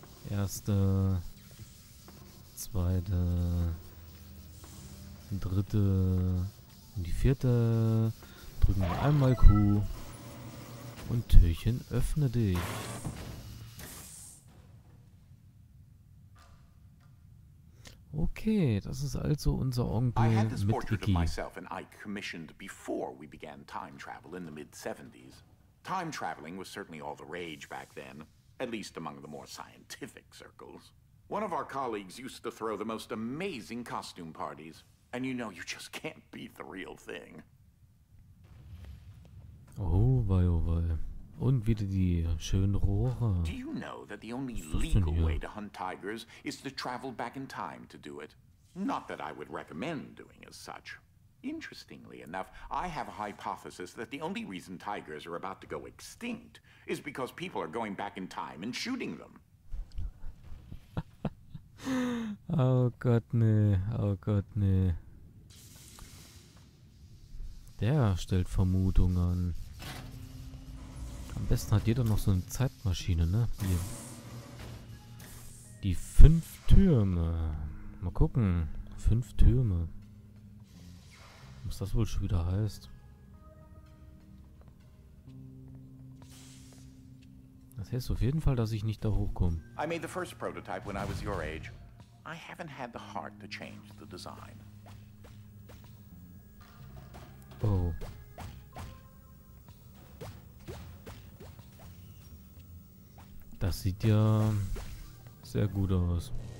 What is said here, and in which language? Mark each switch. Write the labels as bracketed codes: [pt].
[de] Erste, zweite, dritte. Und die vierte, drücken wir einmal Q und Türchen öffne dich. Okay, das ist also unser Onkel mit Iggy. [en] I had this portrait of myself and I commissioned before we began time travel in the mid-70s. Time traveling was certainly all the rage back then, at least among the more scientific circles. One of our colleagues used to throw the most amazing costume parties. And you know, you just can't beat the real thing. [de] Oh, weil. Und wieder die schönen Rohre. [en] Do you know that the only legal way to hunt tigers is to travel back in time to do it? Not that I would recommend doing as such. Interestingly enough, I have a hypothesis that the only reason tigers are about to go extinct is because people are going back in time and shooting them. [de] Oh Gott, nee, der stellt Vermutungen an. Am besten hat jeder noch so eine Zeitmaschine, ne? Hier. Die fünf Türme. Mal gucken. Fünf Türme. Was das wohl schon wieder heißt. Das heißt auf jeden Fall, dass ich nicht da hochkomme. [en] I made the first prototype when I was your age. I haven't had the heart to change the design. Oh. [de] Das sieht ja sehr gut aus.